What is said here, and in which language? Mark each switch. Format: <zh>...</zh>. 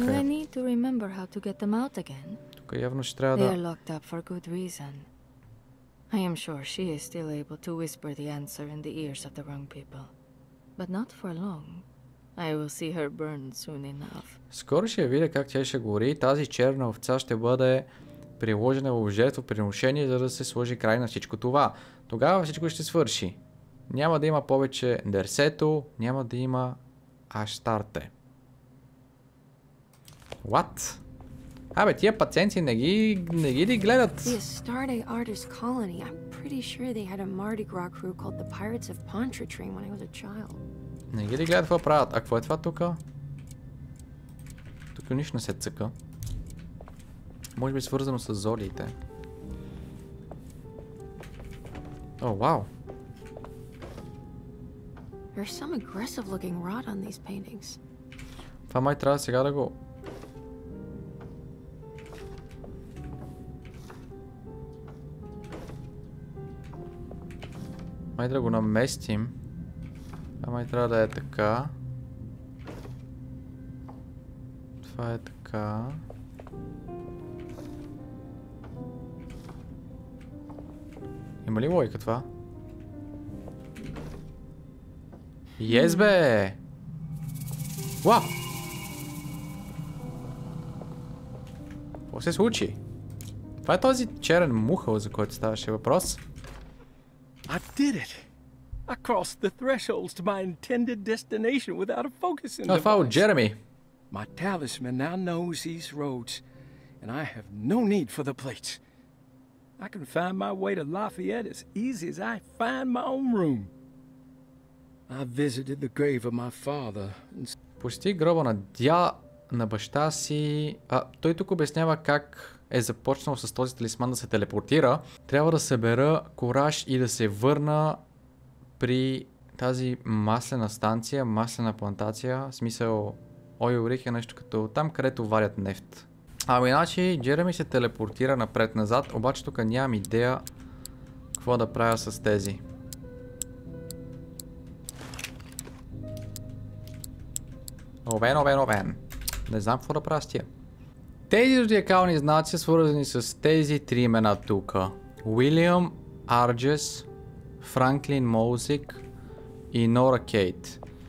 <en>You need to remember how to get them out again.</en> <bg>Тук явно ще трябва да...</bg> <en>They are locked up for good reason. I am sure she is still able to whisper the answer in the ears of the wrong people. But not for long. I will see her burn soon enough.</en> <bg>Скоро ще видя как тя ще гори. Тази черна овца ще бъде приложена в жертво приношение, за да се сложи край на всичко това. Тогава всичко ще свърши. Няма да има повече Дерсето, няма да има Аштарте.</bg> <en>What?</en> <bg>Абе, тия пациенти не ги ли гледат?</bg> <en>The Astarte artist colony. I'm pretty sure they had a Mardi Gras crew called the Pirates of Pontchartrain when I was a child.</en> <bg>Не ги ли гледат какво правят? А какво е това тука? Тук нищо не се цъка. Може би свързано с зодиите. О, вау! There's some aggressive looking rot on these paintings. Това май трябва сега да го... Май трябва да го наместим. Това май трябва да е така. Това е така. Има ли лойка това? Yes, бе! Уау! Какво се случи? Това е този черен мухъл, за който ставаше въпрос.</bg> <en>I did it. I crossed the thresholds to my intended destination without a focus in the device. I found Jeremy. My talisman now knows these roads, and I have no need for the plates. I can find my way to Lafayette as easy as I find my own room. I visited the grave of my father.</en> <bg>Посети гроба на на баща си. А той тук обяснява как е започнал с този талисман да се телепортира. Трябва да събера кураж и да се върна при тази маслена станция, маслена плантация. В смисъл, ойо рих е нещо като там, където варят нефт. Ами иначе, Джереми се телепортира напред-назад, обаче тук нямам идея какво да правя с тези. Овен, овен, овен. Не знам какво да правя с тия. Тези зодиакални знаци са свързани с тези три имена тука. Уилиам, Арджес, Франклин Моузик и Нора Кейт.</bg>